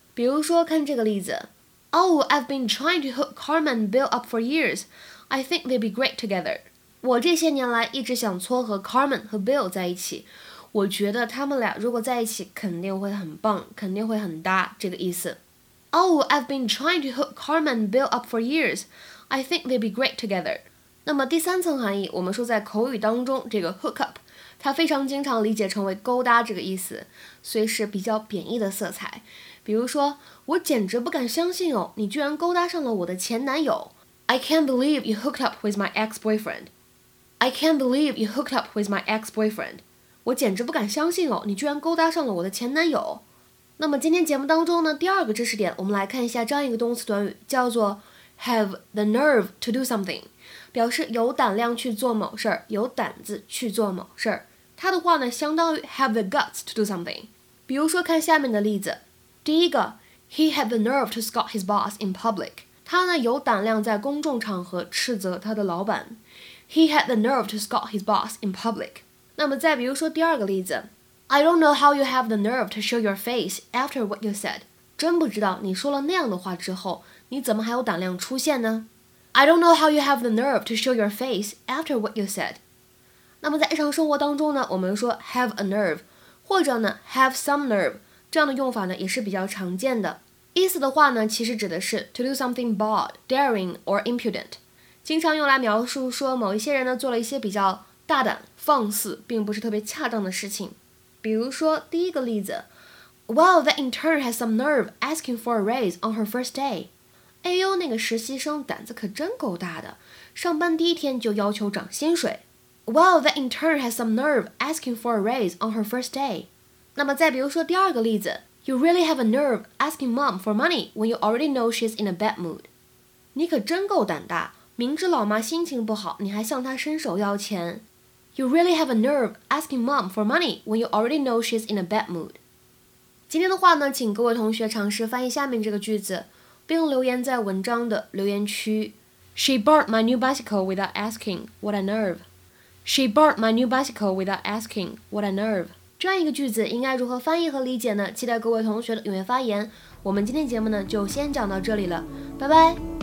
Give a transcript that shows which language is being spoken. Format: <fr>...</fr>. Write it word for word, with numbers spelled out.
<en>比如说，看这个例子，Oh, I've been trying to hook Carmen and Bill up for years.</en> <zh>I think they'd be great together. 我这些年来一直想撮合 Carmen 和 Bill 在一起，我觉得他们俩如果在一起肯定会很棒，肯定会很搭，这个意思。</zh> <en>Oh, I've been trying to hook Carmen and Bill up for years. I think they'd be great together.</en> <zh>那么第三层含义，我们说在口语当中，这个 hook up 它非常经常理解成为勾搭这个意思，所以是比较贬义的色彩。比如说，我简直不敢相信哦，你居然勾搭上了我的前男友。</zh> <en>I can't believe you hooked up with my ex-boyfriend. I can't believe you hooked up with my ex-boyfriend.</en> <zh>我简直不敢相信哦，你居然勾搭上了我的前男友。那么今天节目当中呢，第二个知识点，我们来看一下这样一个动词短语，叫做 have the nerve to do something 表示有胆量去做某事儿，有胆子去做某事儿。</zh> <en>它的话呢相当于 have the guts to do something。比如说看下面的例子，第一个 He had the nerve to scold his boss in public。</en> <zh>他呢有胆量在公众场合斥责他的老板。</zh> <en>He had the nerve to scold his boss in public。那么再比如说第二个例子 I don't know how you have the nerve to show your face after what you said。</en> <zh>真不知道你说了那样的话之后，你怎么还有胆量出现呢？</zh> <en>I don't know how you have the nerve to show your face after what you said.</en> <zh>那么在日常生活当中呢，我们说 have a nerve 或者呢 have some nerve 这样的用法呢也是比较常见的。意思的话呢，其实指的是 to do something bold, daring or impudent，经常用来描述说某一些人呢做了一些比较大胆、放肆，并不是特别恰当的事情。</zh> <en>比如说第一个例子，Well, that intern has some nerve asking for a raise on her first day.</en> <zh>哎呦，那个实习生胆子可真够大的，上班第一天就要求涨薪水。</zh> <en>Well, that intern has some nerve asking for a raise on her first day. 那么再比如说第二个例子 You really have a nerve asking mom for money when you already know she's in a bad mood.</en> <zh>你可真够胆大，明知老妈心情不好，你还向她伸手要钱。</zh> <en>You really have a nerve asking mom for money when you already know she's in a bad mood.</en> <zh>今天的话呢，请各位同学尝试翻译下面这个句子，并留言在文章的留言区。</zh> <en>She bought my new bicycle without asking, what a nerve. She bought my new bicycle without asking, what a nerve.</en> <zh>这样一个句子应该如何翻译和理解呢？期待各位同学的踊跃发言。我们今天节目呢就先讲到这里了，拜拜。</zh>